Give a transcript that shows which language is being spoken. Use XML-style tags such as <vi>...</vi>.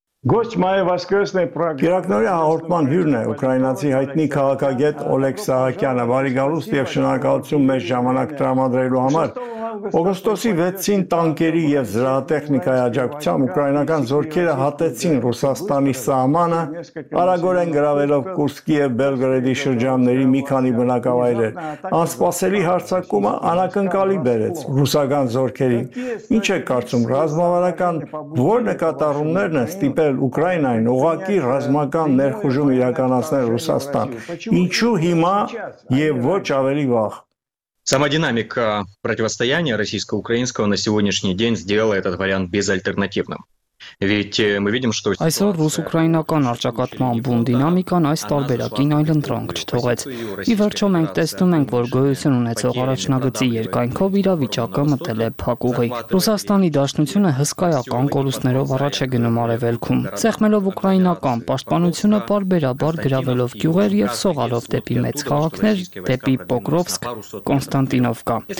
<hy>Գոչ Մայև Ասկրեսնեի պրակ։ Գիրակնորյա հաղորդման հյուրն է ուկրաինացի հայտնի քաղաքագետ Օլեգ Սահակյանը, բարի գալուստ և շնորհակալություն մեզ ժամանակ տրամադրելու համար։ Օգոստոսի 6-ին տանկերի և զրահատեխնիկայի աջակցությամբ ուկրաինական զորքերը հատեցին Ռուսաստանի սահմանը, արագորեն գրավելով Կուրսկի և Բելգրադի շրջանների մի քանի բնակավայրեր։ Անսպասելի հարձակումը անակնկալի բերեց ռուսական զորքերին։ Ինչ է կարծում ռազմավարական, որ նկատառումներն են ստիպել Ուկրաինային ուղղակի ռազմական ներխուժում իրականացնել Ռուսաստան, ինչու հիմա և ոչ ավելի վաղ։</hy> <ru>Сама динамика противостояния российско-украинского на сегодняшний день сделала этот вариант безальтернативным.</ru> <hy>Այսօր ռուս-ուկրաինական առաջակատման բուն դինամիկան այս տարբերակին այլ ընտրանք չթողեց։ Ի վերջո մենք տեսնում ենք, որ գոյություն ունեցող առաջնագծի երկայնքով իրավիճակը մտել է փակուղի։ Ռուսաստանի Դաշնությունը հսկայական կորուստներով առաջ է գնում արևելքում, ցեղմելով ուկրաինական պաշտպանությունը պարբերաբար գրավելով գյուղեր և սողալով դեպի մեծ քաղաքներ, դեպի Պոկրովսկ, Կոնստանտինովկա։</hy>